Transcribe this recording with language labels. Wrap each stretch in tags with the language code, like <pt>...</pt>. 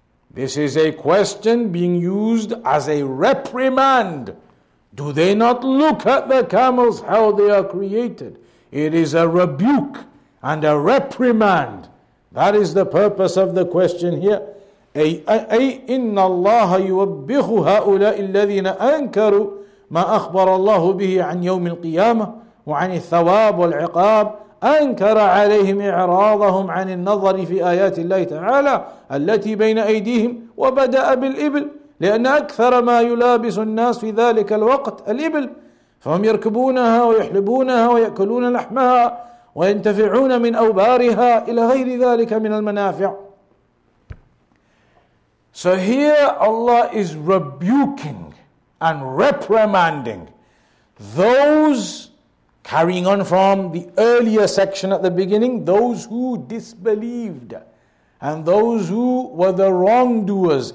<en>This is a question being used as a reprimand. Do they not look at the camels, how they are created? It is a rebuke and a reprimand. That is the purpose of the question here.</en> <ar>أي إن الله يوبخ هؤلاء الذين أنكروا ما أخبر الله به عن يوم القيامة وعن الثواب والعقاب أنكر عليهم إعراضهم عن النظر في آيات الله تعالى التي بين أيديهم وبدأ بالإبل لأن أكثر ما يلابس الناس في ذلك الوقت الإبل فهم يركبونها ويحلبونها ويأكلون لحمها وينتفعون من أوبارها إلى غير ذلك من المنافع.</ar> <en>So here Allah is rebuking and reprimanding those carrying on from the earlier section at the beginning, those who disbelieved and those who were the wrongdoers.</en>